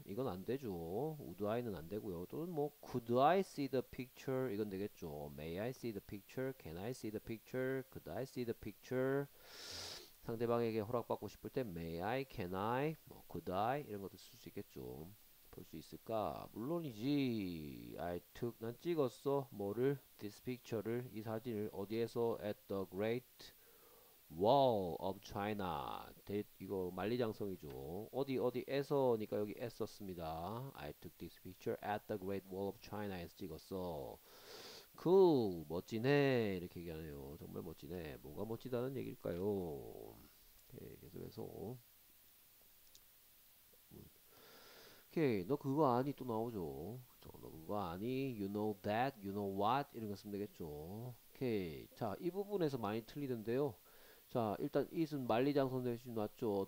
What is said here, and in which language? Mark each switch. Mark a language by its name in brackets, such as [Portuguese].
[Korean] 이건 안 되죠 would I는 안 되고요 또는 뭐 could I see the picture 이건 되겠죠 may I see the picture can I see the picture could I see the picture 상대방에게 허락받고 싶을 때 may I, can I, 뭐, could I 이런 것도 쓸수 있겠죠. 볼수 있을까? 물론이지. I took 난 찍었어. 뭐를? This picture를 이 사진을 어디에서? At the Great Wall of China. 이거 만리장성이죠. 어디 어디에서니까 여기 애썼습니다. [English] I took this picture at the Great Wall of China에서 찍었어. [Korean] Cool, 멋지네 이렇게 얘기하네요. 정말 멋지네. 뭐가 멋지다는 얘기일까요? 오케이, 계속해서 오케이, 너 그거 아니 또 나오죠. 저너 그거 아니, you know that, you know what 이런 거 쓰면 되겠죠. 오케이, 자, 이 부분에서 많이 틀리던데요. 자, 일단 it은 만리장성 대신 놨죠.